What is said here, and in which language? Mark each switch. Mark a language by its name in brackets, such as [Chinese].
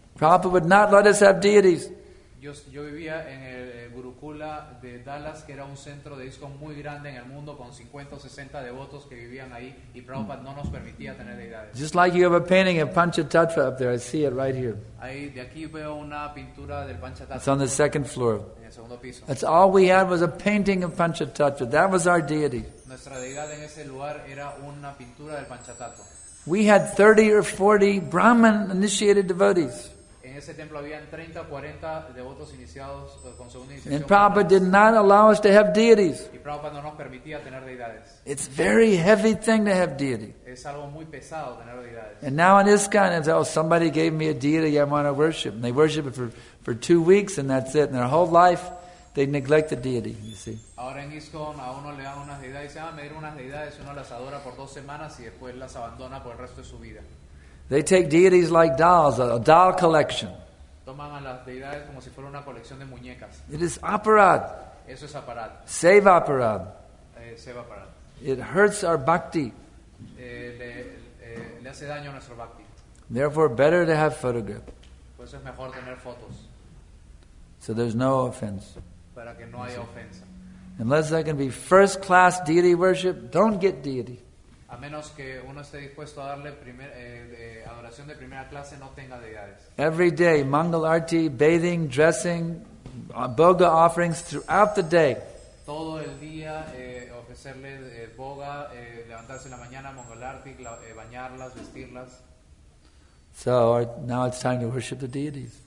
[English] Prabhupada would not let us have deities. [Spanish] Yo vivía en el Gurukula de Dallas, que era un centro de ISKCON muy grande en el mundo, con 50 o 60 devotos que vivían ahí, y Prabhupada no nos permitía tener deidades. [English] Just like you have a painting of Panchatattva up there, I see it right here. [Spanish] Ahí, de aquí veo una pintura del Panchatattva. [English] It's on the second floor. [Spanish] En el segundo piso. [English] That's all we had was a painting of Panchatattva. That was our deity. [Spanish] Nuestra deidad en ese lugar era una pintura del Panchatattva. [English] We had 30 or 40 Brahman initiated devotees. [Spanish] En ese templo habían 30 o 40 devotos iniciados con segunda iniciación. [English] And Prabhupada did not allow us to have deities. [Spanish] Y Prabhupada no nos permitía tener deidades. [English] It's very heavy thing to have deity. [Spanish] Es algo muy pesado tener deidades. [English] And now in ISKCON, it's, oh, somebody gave me a deity I want to worship. And they worship it for 2 weeks and that's it. And their whole life, they neglect the deity, you see. [Spanish] Ahora en ISKCON a uno le dan unas deidades y dice, ah, me dieron unas deidades, uno las adora por 2 semanas y después las abandona por el resto de su vida. [English] They take deities like dolls, a doll collection. [Spanish] Toman a las deidades como si fuera una colección de muñecas. [English] It is aparad. [Spanish] Eso es aparad. [English] Seva aparad. [Spanish] Seva aparad. [English] It hurts our bhakti. [Spanish] Le hace daño a nuestro bhakti. [English] Therefore, better to have photograph. [Spanish] Pues es mejor tener fotos. [English] So there's no offense. [Spanish] Para que no haya ofensa. [English] Unless that can be first class deity worship, don't get deity. [Spanish] A menos que uno esté dispuesto a darle adoración de primera clase, no tenga deidades. [English] Every day, Mangal Arti, bathing, dressing, boga offerings throughout the day. [Spanish] Todo el día ofrecerle boga, levantarse en la mañana, Mangal Arti, bañarlas, vestirlas. [English] So now it's time to worship the deities.